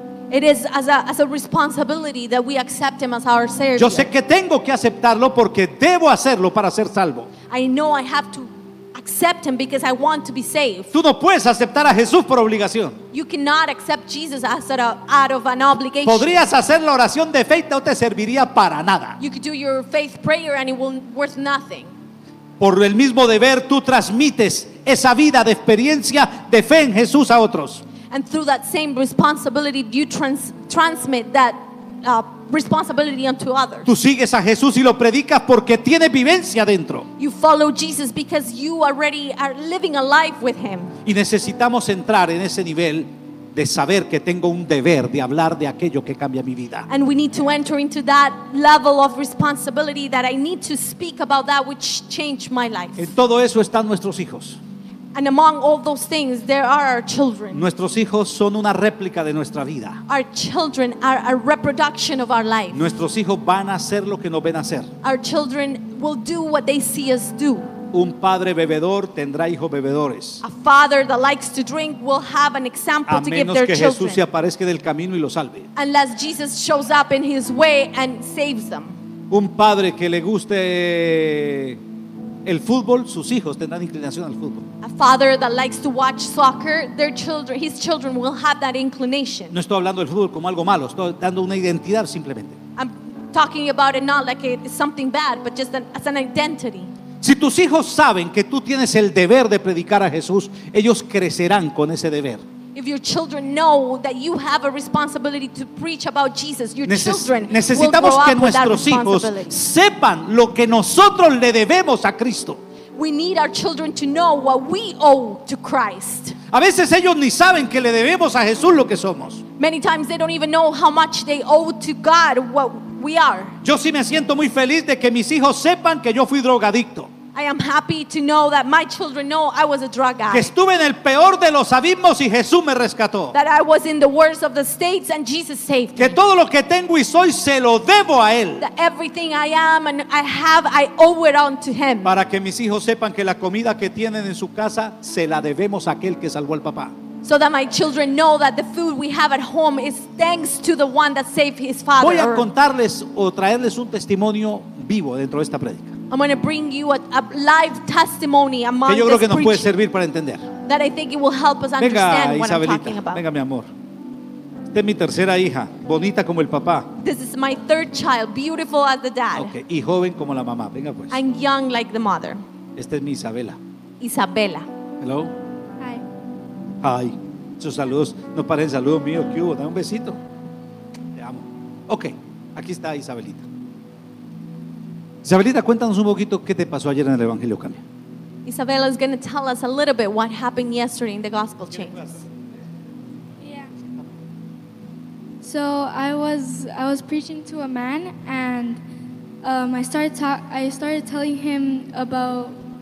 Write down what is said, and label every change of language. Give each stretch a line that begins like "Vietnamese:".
English: It is as a responsibility that we accept him as our Savior.
Spanish: Yo sé que tengo que aceptarlo porque debo hacerlo para ser salvo.
English: I know I have to accept him because I want to be saved.
Spanish: Tú no puedes aceptar a Jesús por obligación.
English: You cannot accept Jesus out of an obligation.
Spanish: Podrías hacer la oración de fe y no te serviría para nada.
English: You could do your faith prayer and it will worth nothing.
Spanish: Por el mismo deber tú transmites esa vida de experiencia de fe en Jesús a otros.
English: And through that same responsibility you transmit that responsibility unto others.
Spanish: Tú sigues a Jesús y lo predicas porque tiene vivencia dentro.
English: You follow Jesus because you already are living a life with him.
Spanish: Y necesitamos entrar en ese nivel de saber que tengo un deber de hablar de aquello que cambia mi vida.
English: And we need to enter into that level of responsibility that I need to speak about that which changed my life.
Spanish: En todo eso están nuestros hijos.
English: And among all those things, there are our children.
Spanish: Nuestros hijos son una réplica de nuestra vida.
English: Our children are a reproduction of our life.
Spanish: Nuestros hijos van a hacer lo que nos ven hacer.
English: Our children will do what they see us do.
Spanish: Un padre bebedor tendrá hijos bebedores.
English: A father that likes to drink will have an example to give their children.
Spanish: A menos que Jesús se aparezca del camino y lo salve.
English: Unless Jesus shows up in his way and saves them.
Spanish: Un padre que le guste el fútbol, sus hijos tendrán inclinación al fútbol.
English: A father that likes to watch soccer, his children will have that inclination.
Spanish: No estoy hablando del fútbol como algo malo, estoy dando una identidad simplemente.
English: I'm talking about it not like it's something bad, but just as an identity.
Spanish: Si tus hijos saben que tú tienes el deber de predicar a Jesús, ellos crecerán con ese deber.
English: If your children know that you have a responsibility to preach about Jesus, your children
Spanish: necesitamos
English: will grow
Spanish: que
English: up
Spanish: nuestros
English: with that
Spanish: hijos sepan lo que nosotros le debemos a Cristo.
English: We need our children to know what we owe to Christ.
Spanish: A veces ellos ni saben que le debemos a Jesús lo que somos.
English: Many times they don't even know how much they owe to God what we are.
Spanish: Yo sí me siento muy feliz de que mis hijos sepan que yo fui drogadicto.
English: I am happy to know that my children know I was a drug addict.
Spanish: Que estuve en el peor de los abismos y Jesús me rescató.
English: That I was in the worst of the states and Jesus saved me.
Spanish: Que todo lo que tengo y soy se lo debo a él.
English: That everything I am and I have I owe it unto him.
Spanish: Para que mis hijos sepan que la comida que tienen en su casa se la debemos a aquel que salvó al papá.
English: So that my children know that the food we have at home is thanks to the one that saved his father.
Spanish: Voy a contarles o traerles un testimonio vivo dentro de esta prédica.
English: I'm going to bring you a live testimony among this preaching.
Spanish: Que yo creo que nos puede servir para entender.
English: That I think it will help us
Spanish: venga,
English: understand what
Spanish: Isabelita,
English: I'm talking about.
Spanish: Venga, mi amor. Esta es mi tercera hija, bonita como el papá.
English: This is my third child, beautiful as the dad.
Spanish: Okay, y joven como la mamá. Venga pues.
English: And young like the mother.
Spanish: Esta es mi Isabela. Isabela.
English: Hello. Hi.
Spanish: Hi. Sus saludos no parecen saludos míos. ¿Qué hubo? Dame un besito. Te amo. Okay. Aquí está Isabelita. Isabelita, cuéntanos un poquito qué te pasó ayer en el Evangelio Cambia.
English: Isabella is going to tell us a little bit what happened yesterday in the Gospel Change. Yeah. So I was preaching to a man and I started telling him about.